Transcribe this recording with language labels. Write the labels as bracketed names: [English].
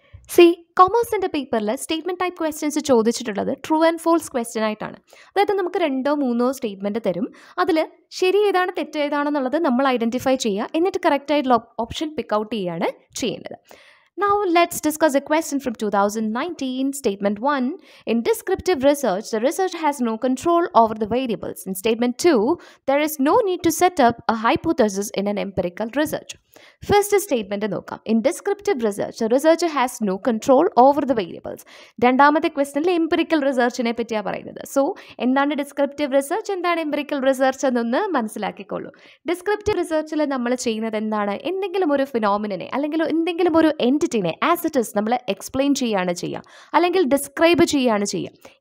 [Malayalam] C കൊമേഴ്സിൻ്റെ പേപ്പറിൽ statement type questions ചോദിച്ചിട്ടുള്ളത് true and false question ആയിട്ടാണ്. അതായത് നമുക്ക് രണ്ടോ മൂന്നോ സ്റ്റേറ്റ്മെൻറ്റ് തരും. അതിൽ ശരി ഏതാണ് തെറ്റ് ഏതാണെന്നുള്ളത് നമ്മൾ ഐഡൻറ്റിഫൈ ചെയ്യുക, എന്നിട്ട് കറക്റ്റായിട്ടുള്ള ഓപ്ഷൻ പിക്ക് ഔട്ട് ചെയ്യുകയാണ് ചെയ്യേണ്ടത്. [English] Now let's discuss a question from 2019, statement 1. In descriptive research, the research has no control over the variables. In statement 2, there is no need to set up a hypothesis in an empirical research. [Malayalam] First statement നോക്കാം. [English] In descriptive research research has no control over the variables. [Malayalam] രണ്ടാമത്തെ ക്വസ്റ്റനിൽ empirical റിസർച്ചിനെ പറ്റിയാണ് പറയുന്നത്. So എന്താണ് descriptive research, എന്താണ് empirical research എന്നൊന്ന് മനസ്സിലാക്കിക്കൊള്ളൂ. Descriptive റിസർച്ചിൽ നമ്മൾ ചെയ്യുന്നത് എന്താണ്, എന്തെങ്കിലും ഒരു ഫിനോമിനെ അല്ലെങ്കിൽ എന്തെങ്കിലും ഒരു എൻറ്റിറ്റിനെ [English] as it is [Malayalam] നമ്മൾ എക്സ്പ്ലെയിൻ ചെയ്യുകയാണ് ചെയ്യുക, അല്ലെങ്കിൽ ഡിസ്ക്രൈബ് ചെയ്യുകയാണ് ചെയ്യുക.